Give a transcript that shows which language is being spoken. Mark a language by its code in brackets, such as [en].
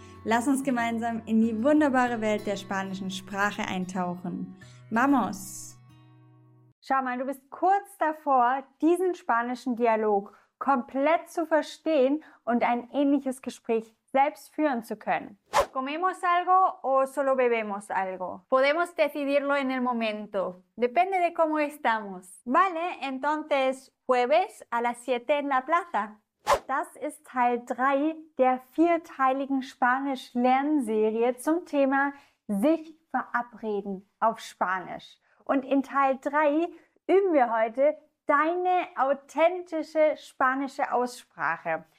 [de] Lass uns gemeinsam in die wunderbare Welt der spanischen Sprache eintauchen. [es] ¡Vamos! [de] Schau mal, du bist kurz davor, diesen spanischen Dialog komplett zu verstehen und ein ähnliches Gespräch selbst führen zu können. [es] ¿Comemos algo o solo bebemos algo? Podemos decidirlo en el momento. Depende de cómo estamos. Vale, entonces jueves a las 7 en la plaza. [de] Das ist Teil 3 der vierteiligen Spanisch-Lernserie zum Thema sich verabreden auf Spanisch. Und in Teil 3 üben wir heute deine authentische spanische Aussprache.